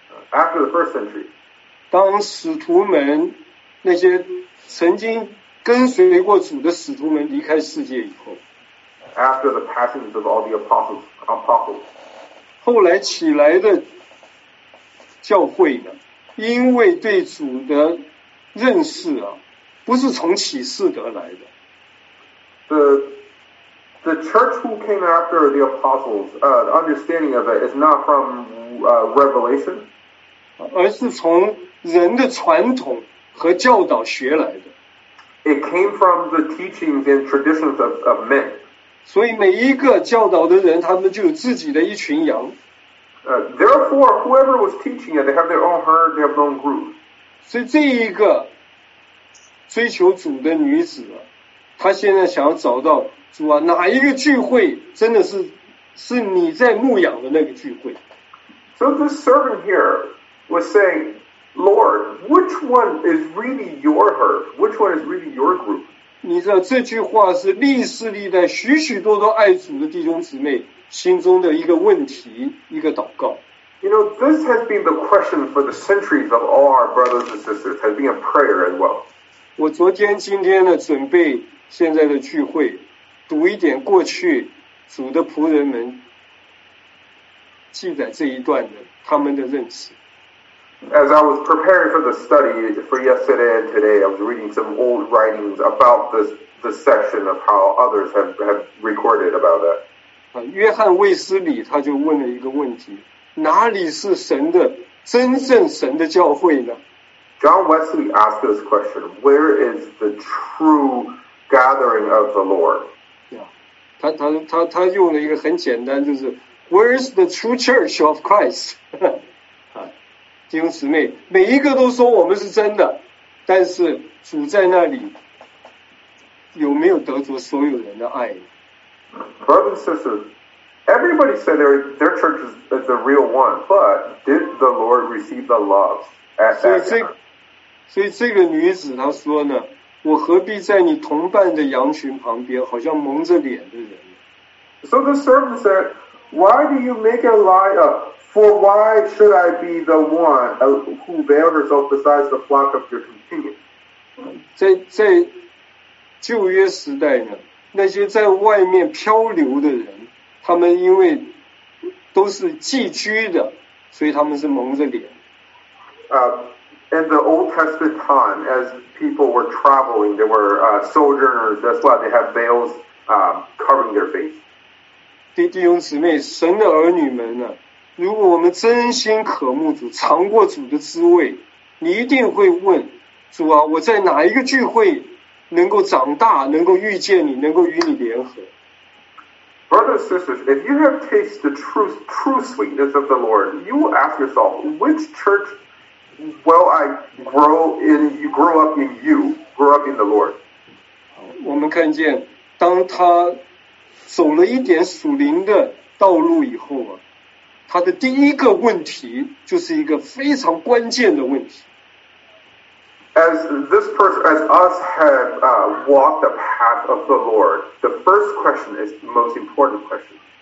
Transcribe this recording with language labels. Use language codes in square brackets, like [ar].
[en] after the first century, [zh] 当使徒们那些曾经跟随过主的使徒们离开世界以后 [en] after the passions of all the apostles, [zh] 后来起来的教会呢，因为对主的认识啊，不是从启示得来的。 [en] The church who came after the apostles, the understanding of it is not from revelation, [zh] 而是从人的传统和教导学来的。 [en] It came from the teachings and traditions of men. [zh] 所以每一个教导的人，他们就有自己的一群羊。 [en] Therefore, whoever was teaching it, they have their own herd, they have their own group. [zh] 所以这一个追求主的女子，她现在想要找到主啊，哪一个聚会真的是你在牧养的那个聚会 [en] ？So this servant here was saying, Lord, which one is really your herd? Which one is really your group? [zh] 你知道这句话是历世历代许许多多爱主的弟兄姊妹心中的一个问题，一个祷告。 [en] You know, this has been the question for the centuries of all our brothers and sisters. Has been a prayer as well. [zh] 我昨天今天呢，准备现在的聚会，读一点过去主的仆人们记载这一段的他们的认识。 [en] As I was preparing for the study for yesterday and today, I was reading some old writings about the section of how others have recorded about that. [zh] 约翰卫斯理他就问了一个问题。哪里是神的真正神的教会呢？ [en] John Wesley asked this question, where is the true gathering of the Lord? Yeah. [zh] 他用了一个很简单，就是 [en] where is the true church of Christ? [zh] 弟兄姊妹，每一个都说我们是真的，但是主在那里有没有得着所有人的爱？ [en] Brothers and sisters, everybody said their church is the real one, but did the Lord receive the love at that time? [zh] 所以这个女子她说呢，我何必在你同伴的羊群旁边，好像蒙着脸的人。 [en] So the servant said, why do you make a lie up? For why should I be the one who veiled herself besides the flock of your companions? [zh] 在旧约时代呢，那些在外面漂流的人，他们因为都是寄居的，所以他们是蒙着脸。 [en] In the Old Testament time, as people were traveling, they were sojourners, that's why they have veils covering their face. [zh] 弟兄姊妹，神的儿女们呢，如果我们真心渴慕主，尝过主的滋味，你一定会问主啊，我在哪一个聚会能够长大，能够遇见你，能够与你联合。 [en] Brothers and sisters, if you have tasted the true sweetness of the Lord, you will ask yourself, which church will I grow in? You grow up in you, grow up in the Lord. [zh] 我们看见，当他走了一点属灵的道路以后啊，他的第一个问题就是一个非常关键的问题。 [en] As this person, as us have walked the path of the Lord, the first question is the most important question.